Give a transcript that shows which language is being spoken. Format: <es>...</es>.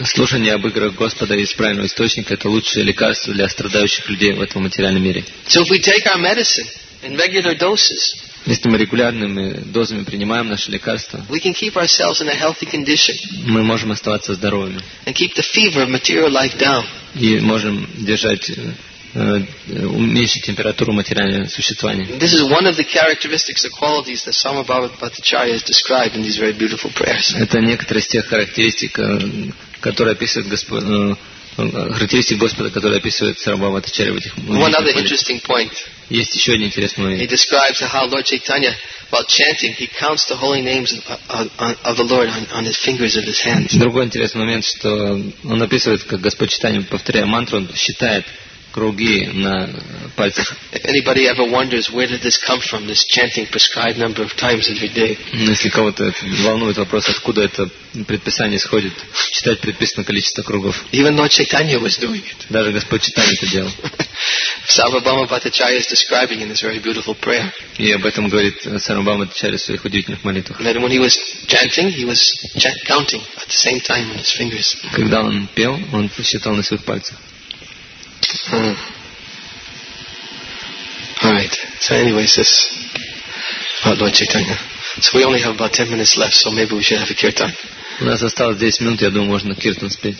<ru>Слушание об играх Господа из правильного источника это лучшее лекарство для страдающих людей в этом материальном мире.</ru> <en>So if we take our medicine in regular doses,</en> <ru>если мы регулярными дозами принимаем наши лекарства,</ru> <en>we can keep ourselves in a healthy condition.</en> <ru>Мы можем оставаться здоровыми.</ru> <en>And keep the fever of material life down.</en> <ru>И можем держать уменьшить температуру материального существования.</ru> <en>This is one of the characteristics or qualities that Sarvabhauma Bhattacharya has described in these very beautiful prayers.</en> <ru>Это некоторые из тех характеристик, которые описывает характеристик Господа, который описывает Сарвабхаума Бхаттачарья в этих.</ru> <en>One other interesting point.</en> <ru>Есть еще один интересный момент.</ru> <en>He describes how Lord Chaitanya, while chanting, he counts the holy names of the Lord on his fingers of his hands.</en> <ru>Другой интересный момент, что он описывает, как Господь Чайтанья, повторяя мантру, он считает круги на пальцах.</ru> <en>If anybody ever wonders where did this come from, this chanting prescribed number of times every day.</en> <ru>Если кого-то волнует вопрос, откуда это предписание исходит, читать предписанное количество кругов.</ru> <en>Even Lord Chaitanya was doing it.</en> <ru>Даже Господь Чайтанья это делал.</ru> <en>Sarvabhauma Bhattacharya is describing in this very beautiful prayer.</en> <ru>И об этом говорит Сарвабхаума Бхаттачарья в своих удивительных молитвах.</ru> <en>That when he was chanting, he was counting at the same time on his fingers.</en> <ru>Когда он пел, он считал на своих пальцах.</ru> <en>All right. So, anyways, this about Lord Chaitanya. So we only have about 10 minutes left. So maybe we should have a kirtan.</en> <ru>У нас осталось 10 минут. Я думаю, можно киртан спеть.</ru>